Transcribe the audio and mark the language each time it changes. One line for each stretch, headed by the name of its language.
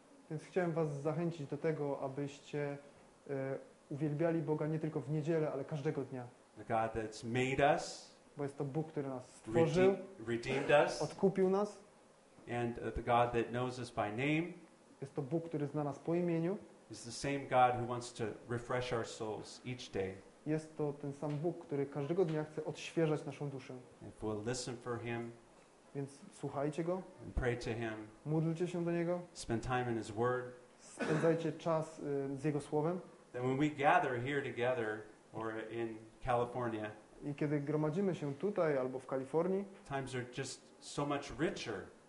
Polish: Więc chciałem was zachęcić do tego, abyście uwielbiali Boga nie tylko w niedzielę, ale każdego dnia.
English: God that's made us,
Polish: bo jest to Bóg, który nas stworzył,
English: redeemed us,
Polish: odkupił nas.
English: And the God that knows us by name,
Polish: jest to Bóg, który zna nas po imieniu.
English: Is the same God who wants to refresh our souls each day.
Polish: Jest to ten sam Bóg, który każdego dnia chce odświeżać naszą duszę.
English: If we'll listen for him,
Polish: więc słuchajcie Go.
English: And pray to him,
Polish: módlcie się do Niego.
English: Spend time in his word,
Polish: spędzajcie czas z Jego Słowem.
English: Then when we gather here together, or in California,
Polish: i kiedy gromadzimy się tutaj albo w Kalifornii,
English: times are just so much richer.